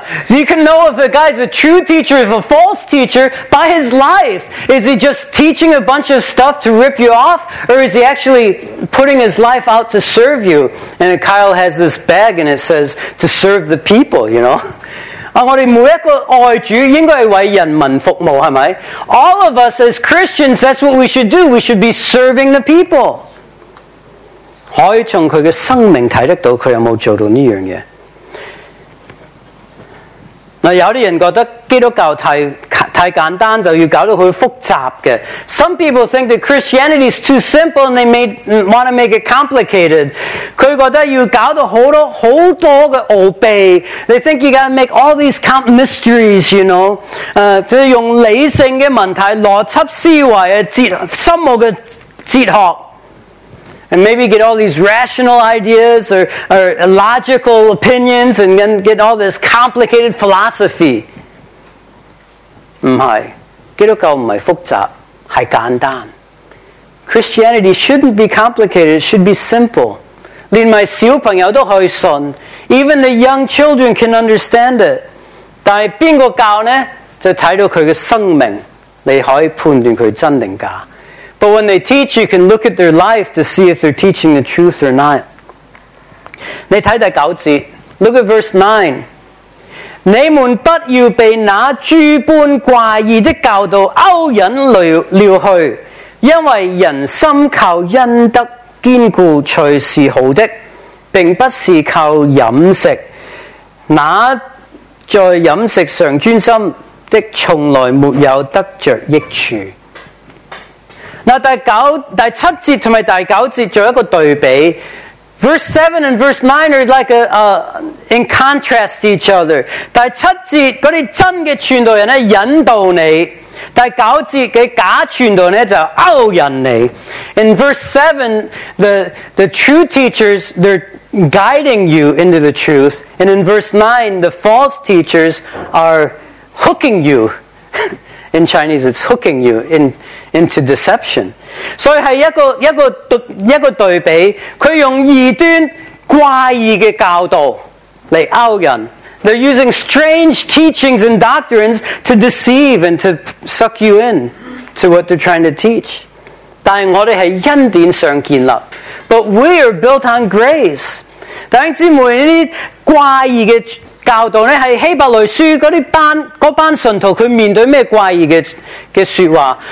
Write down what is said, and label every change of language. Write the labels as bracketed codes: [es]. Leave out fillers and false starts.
[en] You can know if a guy is a true teacher or a false teacher by his life. Is he just teaching a bunch of stuff to rip you off? Or is he actually putting his life out to serve you? And Kyle has this bag and it says to serve the people, you know? [zh] 我们每一个爱主应该是为人民服务，是不是？ [en] All of us as Christians, that's what we should do. We should be serving the people. [zh] 可以从他的生命看得到他有没有做到这件事。那有些人觉得基督教 太简单，就要搞得很复杂的。 [en] Some people think that Christianity is too simple and want to make it complicated. [zh] 他觉得要搞得很多很多的奥秘。 [en] They think you gotta make all these mysteries, you know. [zh] 就是用理性的问题、逻辑思维、深奥的哲学。 [en] And maybe get all these rational ideas or logical opinions and then get all this complicated philosophy. [zh] 不是，基督教不是复杂，是简单。 [en] Christianity shouldn't be complicated, it should be simple. [zh] 连我小朋友都可以信， [en] even the young children can understand it. [zh] 但是谁教呢？就看到他的生命，你可以判断他真定假。 [en] But when they teach, you can look at their life to see if they're teaching the truth or not. [zh] 你看第九节， [en] look at verse 9. [zh] 你们不要被那诸般怪异的教导勾引了去，因为人心靠恩德坚固才是好的，并不是靠饮食。那在饮食上专心的，从来没有得着益处。那第七节和第九节做一个对比， [en] Verse 7 and verse 9 are like in contrast to each other. [zh] 第七节那些真的传道人引导你，第九节的假传道人就勾引你。 [en] In verse 7 the true teachers, they're guiding you into the truth. And in verse 9 the false teachers are hooking you. In Chinese it's hooking you into deception. [zh] 所以是一个对比，他用异端怪异的教导来勾人。 [en] They're using strange teachings and doctrines to deceive and to suck you in to what they're trying to teach. [zh] 但我们是恩典上建立， [en] But we are built on grace. [zh] 弟兄姊妹，这些怪异的教导是希伯来书那班信徒他面对什么怪异 的说话。